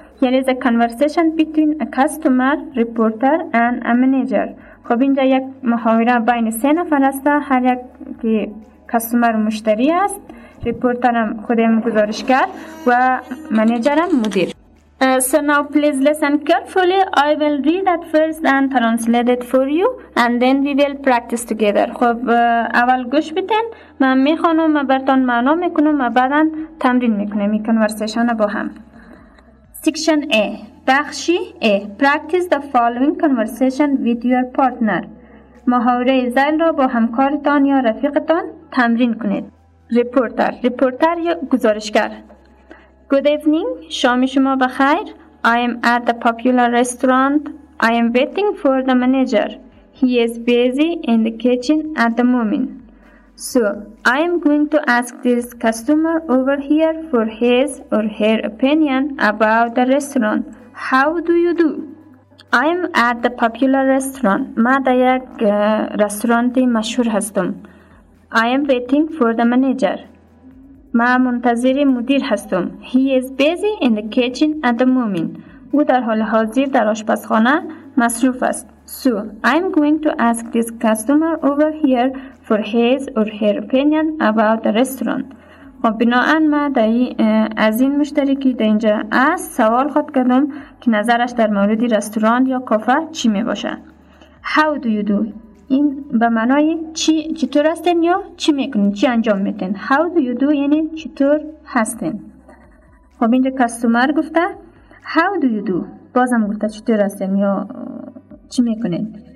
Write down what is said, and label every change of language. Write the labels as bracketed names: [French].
[English] Here is a conversation between a customer, reporter and a manager. [Persian] خب اینجا یک محاوره بین سه نفر است، هر یک که کاستمر و مشتری است، reporter هم خودم گزارشگر و manager هم مدیر. [English] So now please listen carefully. I will read at first and translate it for you, and then we will practice together. [Persian] خب اول گوش بدین، من میخونم، من براتون معنا میکنم و بعدا تمرین میکنیم این کانورسیشن با هم. [English] Section A. [Persian] بخش A. [English] Practice the following conversation with your partner. [Persian] محاوره زن را با همکارتان یا رفیقتان تمرین کنید. [English] Reporter. Reporter [Persian] یا گزارشگر. [English] Good evening. [Persian] شام شما بخیر. [English] I am at the popular restaurant. I am waiting for the manager. He is busy in the kitchen at the moment. So, I am going to ask this customer over here for his or her opinion about the restaurant. How do you do? I am at the popular restaurant. [Persian] ما در یک رستورانتی مشهور هستم. [English] I am waiting for the manager. [Persian] ما منتظر مدیر هستم. [English] He is busy in the kitchen at the moment. [Persian] او در حال حاضر در آشپزخانه مصروف است. [English] So, I'm going to ask this customer over here for his or her opinion about the restaurant. [Persian] خب بناهن ما از این مشتری که در اینجا است سوال خود کردم که نظرش در مورد رستوران یا کافه چی می باشه. [English] How do you do? [Persian] این به معنای چطور هستین یا چی میکنین، چی انجام میدین. [English] How do you do [Persian] یعنی چطور هستین. خب اینجا کاستومر گفته How do you do، بازم گفته چطور هستین یا چی میکنین.